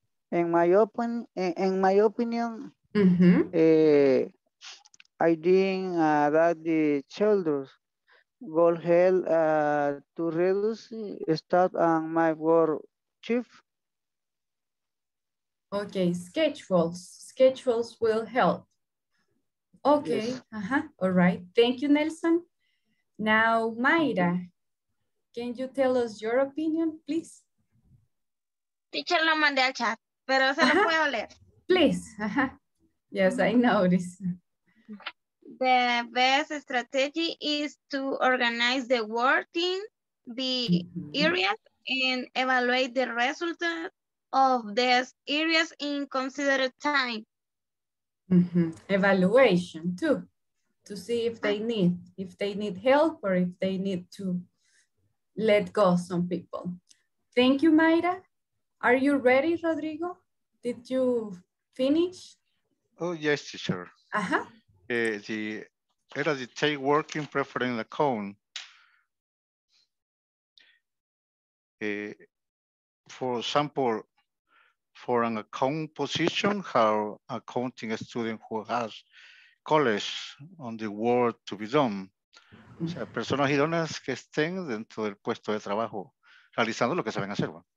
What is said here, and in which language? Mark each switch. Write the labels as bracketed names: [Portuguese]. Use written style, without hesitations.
[English] In my opinion, I think that the children will help to reduce staff and my work chief. Okay, schedules will help. Okay, yes. Uh-huh. All right. Thank you, Nelson. Now, Mayra, can you tell us your opinion, please? [Spanish] Teacher, lo mandé al chat, pero se lo puedo leer. [English] Please. Uh-huh. Yes, I noticed. The best strategy is to organize the work team, the areas, and evaluate the result of these areas in considered time. Mm-hmm. Evaluation too, to see if they need help or if they need to let go some people. Thank you, Mayra. Are you ready, Rodrigo? Did you finish? Oh, yes, teacher. Uh-huh. Take working preference account for example for an account position, how accounting a student who has college on the work to be done. [Spanish] O sea, personas idóneas que estén dentro del puesto de trabajo realizando lo que saben hacer.